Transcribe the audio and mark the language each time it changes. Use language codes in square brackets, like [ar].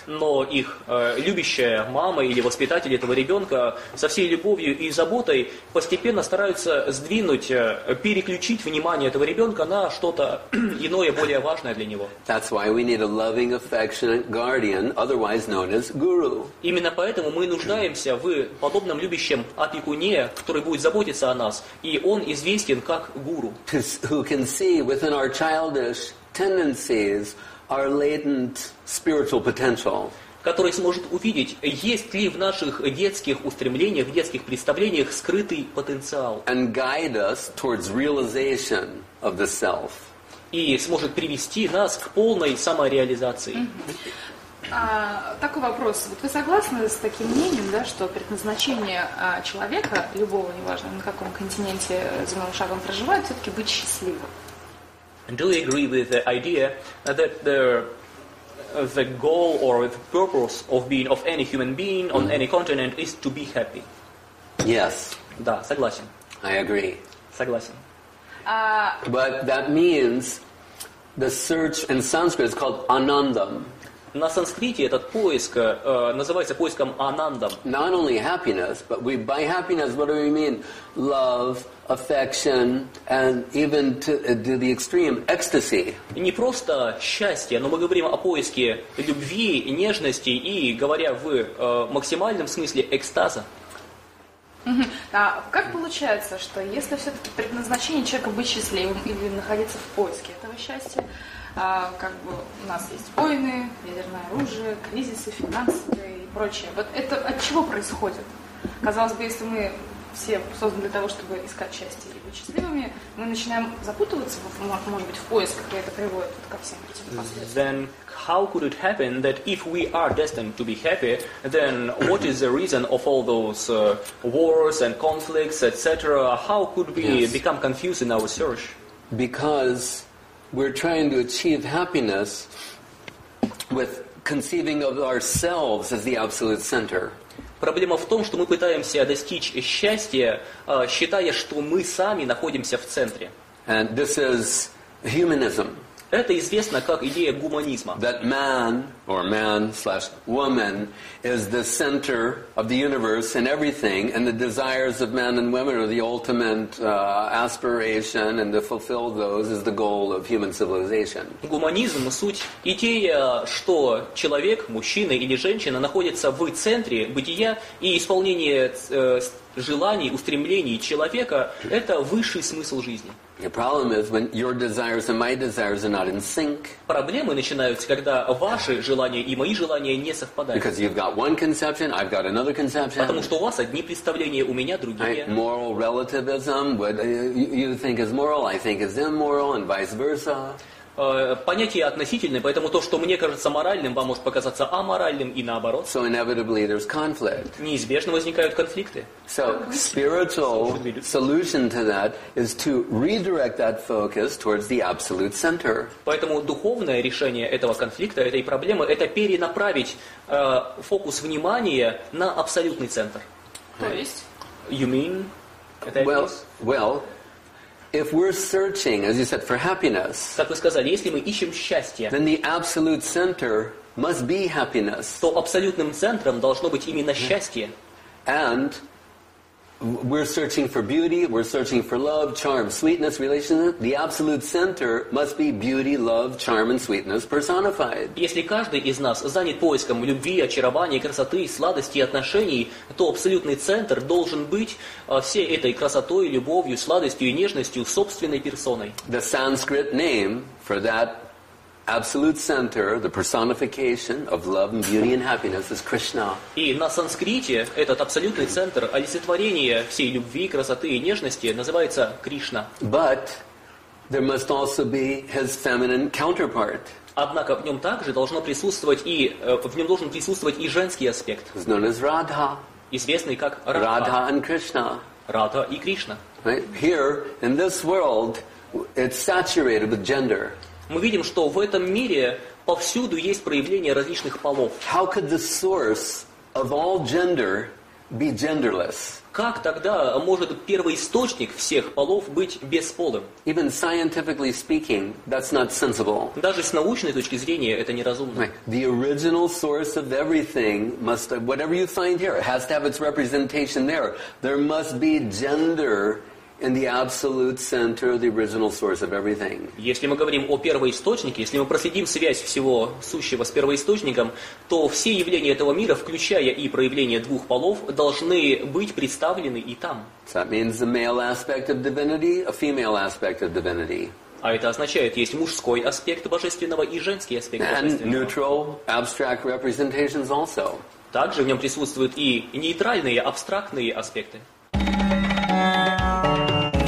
[ru] Но их любящая мама или воспитатель этого ребенка со всей любовью и заботой постепенно стараются сдвинуть, переключить внимание этого ребенка на что-то иное, более важное для него. [en] That's why we need a loving, affectionate guardian, otherwise known as guru. [ru] Именно поэтому мы нуждаемся в подобном любящем опекуне, который будет заботиться о нас, и он известен как гуру. [en] Who can see within our child tendencies are latent spiritual potential. [ru] Который сможет увидеть, есть ли в наших детских устремлениях, в детских представлениях скрытый потенциал. [en] And guide us towards realization of the self. [ru] И сможет привести нас к полной самореализации. Такой вопрос. Вот вы согласны с таким мнением, да, что предназначение человека, любого, неважно, на каком континенте земным шагом проживает, все-таки быть счастливым? [en] Do you agree with the idea that the goal or the purpose of being of any human being on any continent is to be happy? Yes. [ru] Да, согласен. [en] I agree. [ru] Согласен. [en] But that means the search in Sanskrit is called anandam. [ru] На санскрите этот поиск называется поиском анандом. [en] Not only happiness, but we, by happiness, what do we mean? Love, affection, and even to the extreme, ecstasy. [ru] Не просто счастье, но мы говорим о поиске любви, нежности и, говоря в максимальном смысле, экстаза. А как получается, что если все-таки предназначение человека быть счастливым или находиться в поиске этого счастья, как бы у нас есть войны, ядерное оружие, кризисы финансовые и прочее. Вот это от чего происходит? Казалось бы, если мы все созданы для того, чтобы искать счастье и быть счастливыми, мы начинаем запутываться, может быть, в поисках, и это приводит ко всем этим последствиям. [en] How could it happen that if we are destined to be happy, then what is the reason of all those wars and conflicts, etc.? How could we become confused in our search? Because we're trying to achieve happiness with conceiving of ourselves as the absolute center. [ru] Проблема в том, что мы пытаемся достичь счастья, считая, что мы сами находимся в центре. [en] And this is humanism. [ru] Это известно как идея гуманизма. [en] That man or man slash woman is the center of the universe and everything, and the desires of men and women are the ultimate aspiration, and to fulfill those is the goal of human civilization. [ru] Гуманизм – суть идея, что человек, мужчина или женщина, находится в центре бытия, и исполнение желаний, устремлений человека – это высший смысл жизни. [en] The problem is when your desires and my desires are not in sync. [ru] Проблемы начинаются, когда ваши желания и мои желания не совпадают. [en] Because you've got one conception, I've got another conception. [ru] Потому что у вас одни представления, у меня другие. [en] Moral relativism, what you think is moral, I think is immoral, and vice versa. [ru] Понятие относительное, поэтому то, что мне кажется моральным, вам может показаться аморальным и наоборот. [en] So inevitably there's conflict. [ru] Неизбежно возникают конфликты. [en] So spiritual solution to that is to redirect that focus towards the absolute center. [ru] Поэтому духовное решение этого конфликта, этой проблемы, это перенаправить фокус внимания на абсолютный центр. То есть? [en] You mean? Well. If we're searching, as you said, for happiness, [ru] как вы сказали, если мы ищем счастье, [en] then the absolute center must be happiness. [ru] То абсолютным центром должно быть именно счастье. [en] And we're searching for beauty, we're searching for love, charm, sweetness, relationship. The absolute center must be beauty, love, charm, and sweetness personified. [ru] Если каждый из нас занят поиском любви, очарования, красоты, сладости, отношений, то абсолютный центр должен быть всей этой красотой, любовью, сладостью и нежностью собственной персоной. [en] The Sanskrit name for that absolute center, the personification of love and beauty and happiness, is Krishna. [ru] И на санскрите этот абсолютный центр олицетворения всей любви, красоты и нежности называется Кришна. [en] But there must also be his feminine counterpart. [ru] Однако в нем также должно присутствовать и в нем должен присутствовать и женский аспект. [en] He's known as Radha. [ru] Известный как Радха. [en] Radha and Krishna. [ru] Радха и Кришна. [en] Right? Here in this world, it's saturated with gender. [ru] Мы видим, что в этом мире повсюду есть проявление различных полов. [en] How could the source of all gender be genderless? [ru] Как тогда может первоисточник всех полов быть бесполым? [en] Even scientifically speaking, that's not sensible. [ru] Даже с научной точки зрения это неразумно. [en] Right. The original source of everything must, whatever you find here, has to have its representation there. There must be gender in the absolute center, the original source of everything. [ru] Если мы говорим о первоисточнике, если мы проследим связь всего сущего с первоисточником, то все явления этого мира, включая и проявления двух полов, должны быть представлены и там. [en] So that means the male aspect of divinity, a female aspect of divinity. [ru] А это означает, есть мужской аспект божественного и женский аспект божественного. [en] And neutral, abstract representations also. [ru] Также в нем присутствуют и нейтральные, абстрактные аспекты. [en] Thank you.